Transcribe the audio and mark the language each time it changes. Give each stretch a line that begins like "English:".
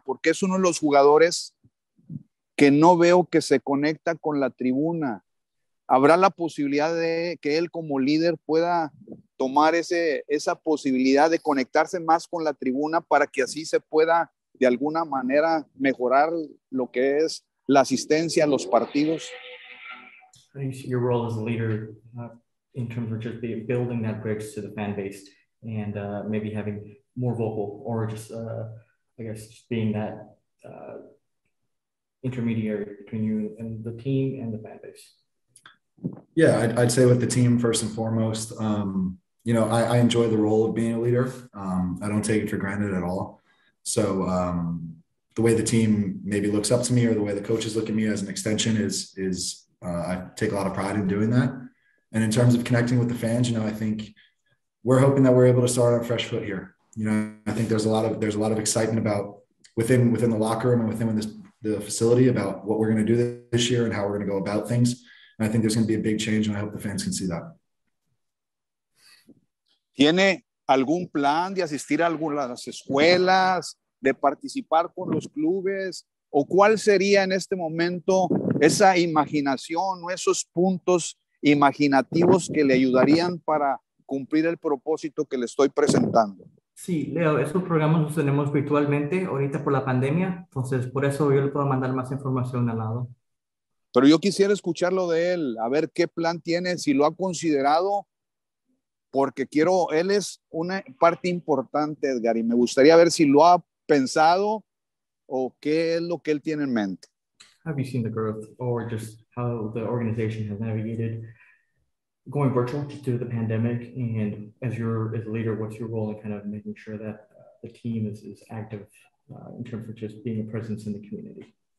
Spanish: Porque es uno de los jugadores que no veo que se conecta con la tribuna. ¿Habrá la posibilidad de que él como líder pueda tomar esa posibilidad de conectarse más con la tribuna para que así se pueda de alguna manera mejorar lo que es la asistencia a los partidos?
English: Your role as a leader, in terms of just building that bridge to the fan base and maybe having more vocal or just, I guess, just being that intermediary between you and the team and the fan base. Yeah, I'd say with the team, first and foremost, you know, I enjoy the role of being a leader. I don't take it for granted at all. So the way the team maybe looks up to me or the way the coaches look at me as an extension is I take a lot of pride in doing that. And in terms of connecting with the fans, you know, I think we're hoping that we're able to start on a fresh foot here. You know, I think there's a lot of excitement about within the locker room and within the facility about what we're going to do this year and how we're going to go about things. And I think there's going to be a big change, and I hope the fans can see that.
Spanish: ¿Tiene algún plan de asistir a algunas escuelas, de participar con los clubes? ¿O cuál sería en este momento esa imaginación o esos puntos imaginativos que le ayudarían para cumplir el propósito que le estoy presentando? Sí, Leo, esos programas los tenemos virtualmente ahorita por la pandemia, entonces por eso yo le puedo mandar más información al lado. Pero yo quisiera escucharlo de él, a ver qué plan tiene, si lo ha considerado, porque quiero, él es una parte importante, Edgar, y me gustaría ver si lo ha pensado o qué es lo que él tiene en mente.
English: Have you seen the growth or just how the organization has navigated going virtual due to the pandemic? And as a leader, what's your role in kind of making sure that the team is active in terms of just being a presence in the community?